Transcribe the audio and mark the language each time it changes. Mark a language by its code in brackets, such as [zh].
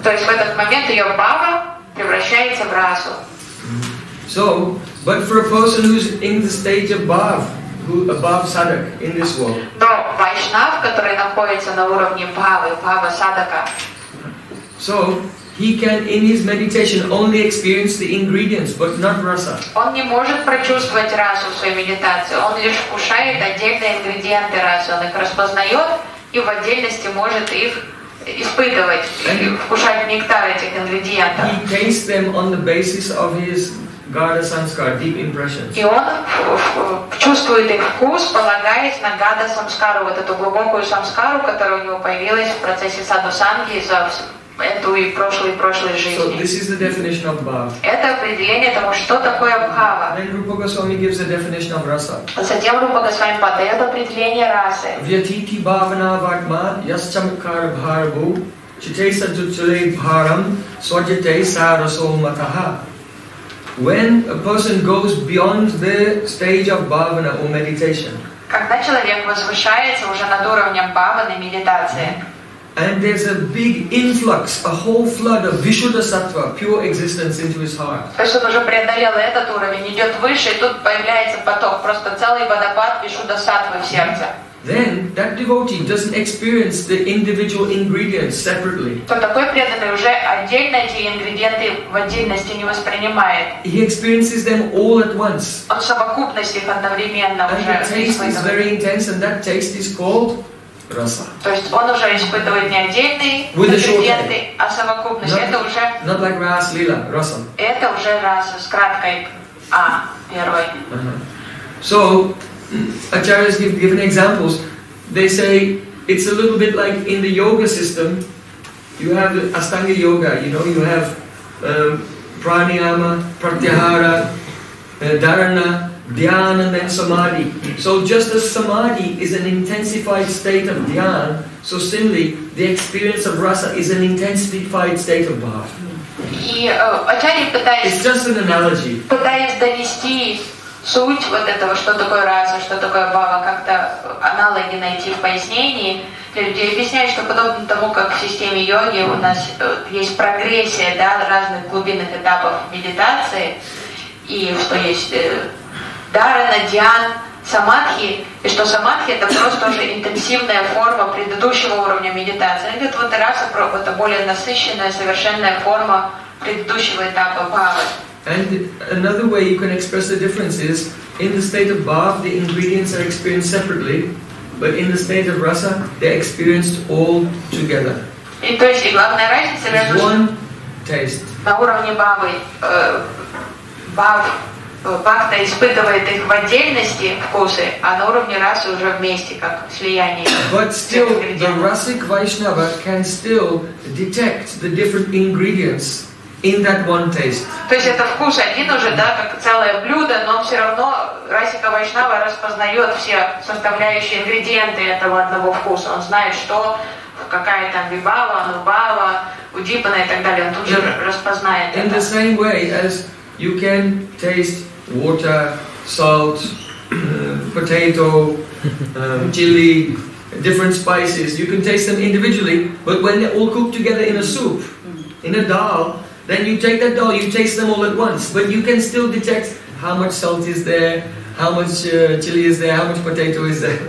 [ru] То есть в этот момент ее бхава превращается в расу. [en] So, but for a person who's in the stage of bhav, who above sadhak in this world. [ru] Но вайшнав, который находится на уровне бхавы, бхава садака. [en] So, he can in his meditation only experience the ingredients, but not rasa. [ru] Он не может прочувствовать расу в своей медитации. Он лишь вкушает отдельные ингредиенты расы. Он их распознает и в отдельности может их испытывать, and вкушать нектар этих ингредиентов. [en] He tastes them on the basis of his gada samskara, deep impressions. [ru] И он чувствует их вкус, полагаясь на гада самскару, вот эту глубокую самскару, которая у него появилась в процессе садху-санги из-за эту и прошлой, прошлой жизни. [en] So this is the definition of bhava. [ru] Это определение того, что такое бхава. [en] Then Rupa Goswami gives the definition of rasa. [ru] Затем Рупа Госвами подает определение расы. [sa] Vyatiti bhavana vatma yaschamkar bharbu chitesa jutchale bharam svajate sa raso mataha. [en] When a person goes beyond the stage of bhavana or meditation, [ru] когда человек возвышается уже над уровнем бхаваны, медитации, [en] and there's a big influx, a whole flood of Vishuddha Sattva, pure existence into his heart. [ru] То есть он уже преодолел этот уровень, идет выше, и тут появляется поток, просто целый водопад Вишуддха Саттвы в сердце. [en] Then that devotee doesn't experience the individual ingredients separately. [ru] То такой преданный уже отдельно эти ингредиенты в отдельности не воспринимает. [en] He experiences them all at once. [ru] От совокупности их одновременно уже. [en] And the taste is very intense, and that taste is called rasa. [ru] То есть он уже испытывает не отдельные ингредиенты, а совокупность. Это уже. [en] Not like ras lila, rasa. [ru] Это уже раса с краткой а первой. [en] So. Acharyas have given examples. They say it's a little bit like in the yoga system. You have Ashtanga yoga, you know, you have pranayama, pratyahara, dharana, dhyana, and then samadhi. So just as samadhi is an intensified state of dhyana, so similarly, the experience of rasa is an intensified state of bhava. It's just an analogy. [ru] Суть вот этого, что такое раса, что такое бхава, как-то аналоги найти в пояснении. Люди объясняют, что подобно тому, как в системе йоги у нас есть прогрессия, да, разных глубинных этапов медитации, и что есть дарана, дьян, самадхи, и что самадхи — это просто уже интенсивная форма предыдущего уровня медитации. Это вот раса, это более насыщенная, совершенная форма предыдущего этапа бхавы. [en] And another way you can express the difference is in the state of bhava, the ingredients are experienced separately, but in the state of rasa, they're experienced all together. [ru] И то есть и главная разница между [en] one taste. [ru] На уровне бхавы бхакта испытывает их в отдельности вкусы, а на уровне расы уже вместе, как слияние. [en] But still, the rasic Vaishnava can still detect the different ingredients in that one taste. [ru] То есть это вкус один уже, да, как целое блюдо, но все равно расика вайшнава распознает все составляющие ингредиенты этого одного вкуса. Он знает, что какая там вибава, анубава, удипана и так далее. Он тут же распознает это. [en] In the same way as you can taste water, salt, potato, chili, different spices. You can taste them individually, but when they're all cooked together in a soup, in a dal. Then you take that dough, you taste them all at once, but you can still detect how much salt is there, how much chili is there, how much potato is there.